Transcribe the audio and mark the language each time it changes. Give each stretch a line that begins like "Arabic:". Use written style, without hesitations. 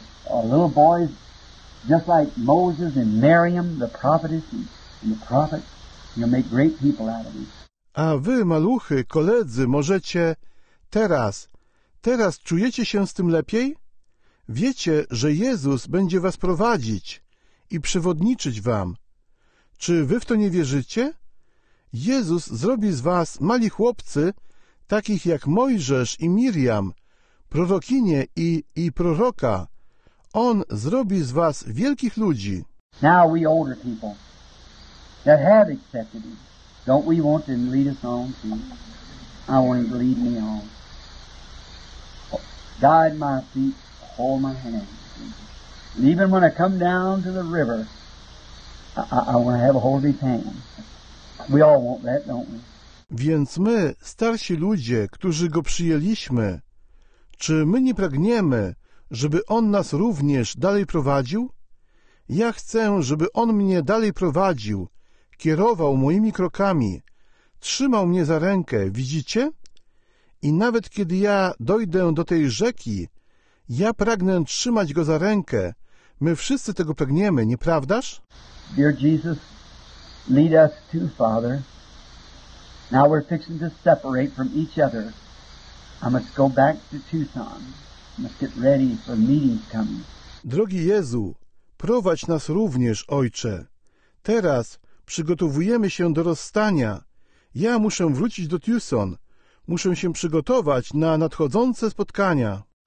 English: A little boys, just like Moses and Miriam, the prophetess and the prophet, you'll make great people out of them.
Polish: A wy, maluchy, koledzy, możecie teraz czujecie się z tym lepiej? Wiecie, że Jezus będzie was prowadzić i przewodniczyć wam. Czy wy w to nie wierzycie? Jezus zrobi z was mali chłopcy, takich jak Mojżesz i Miriam, prorokinie i proroka. On zrobi z was wielkich ludzi.
English: Now we older people that have accepted him, don't we want him to lead us on too? I want him to lead me on. Guide my feet, hold my hand. And even when I come down to the river, I want to have a hold of his hand. We all want that, don't we?
Polish: Więc my, starsi ludzie, którzy go przyjęliśmy, czy my nie pragniemy, żeby On nas również dalej prowadził? Ja chcę, żeby On mnie dalej prowadził, kierował moimi krokami, trzymał mnie za rękę, widzicie? I nawet kiedy ja dojdę do tej rzeki, ja pragnę trzymać Go za rękę. My wszyscy tego pragniemy, nieprawdaż?
English: Dear Jesus, lead us to Father. Now we're fixing to separate from each other. I must go back to Tucson. Must get ready for meetings coming.
Polish: Drogi Jezu, prowadź nas również, Ojcze. Teraz przygotowujemy się do rozstania. Ja muszę wrócić do Tucson. Muszę się przygotować na nadchodzące spotkania.